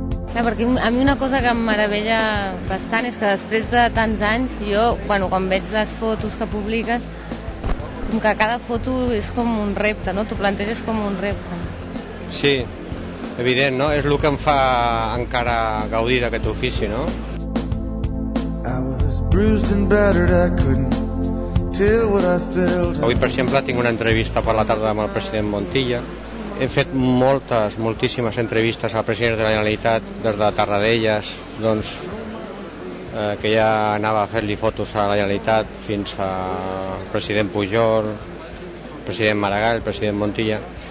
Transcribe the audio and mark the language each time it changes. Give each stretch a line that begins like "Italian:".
Catalan: No, perquè a mi una cosa que em meravella bastant és que després de tants anys, jo, bueno, quan veig les fotos que publiques, com que cada foto és com un repte, no? T'ho planteges com un repte. Sí, evident, no? És el que em fa encara gaudir d'aquest ofici, no?
English: I was bruised and battered, I couldn't tell what I felt.
Catalan: Avui, per exemple, tinc una entrevista per la tarda amb el president Montilla. He fet moltes, moltíssimes entrevistes al president de la Generalitat des de Tarradellas, doncs, que ja anava a fer-li fotos a la Generalitat, fins al president Pujol, president Maragall, president Montilla.